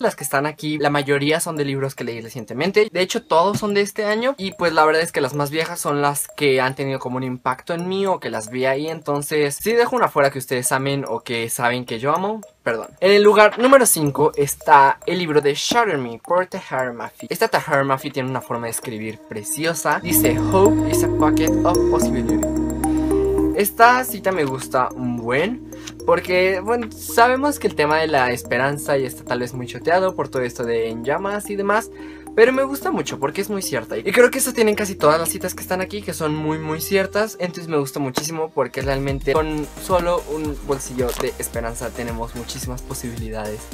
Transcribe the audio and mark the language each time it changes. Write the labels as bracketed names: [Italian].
[Spanish] Las que están aquí, la mayoría son de libros que leí recientemente, de hecho todos son de este año y pues la verdad es que las más viejas son las que han tenido como un impacto en mí o que las vi ahí, entonces sí dejo una afuera que ustedes amen o que saben que yo amo, perdón. En el lugar número 5 está el libro de Shatter Me por Tahar Mafi. Esta Tahar Mafi tiene una forma de escribir preciosa. Dice: [English] "Hope is a pocket of possibility". [Spanish] Esta cita me gusta un buen porque, bueno, sabemos que el tema de la esperanza ya está tal vez muy choteado por todo esto de En Llamas y demás, pero me gusta mucho porque es muy cierta. Y creo que eso tienen casi todas las citas que están aquí, que son muy muy ciertas. Entonces me gusta muchísimo porque realmente con solo un bolsillo de esperanza tenemos muchísimas posibilidades.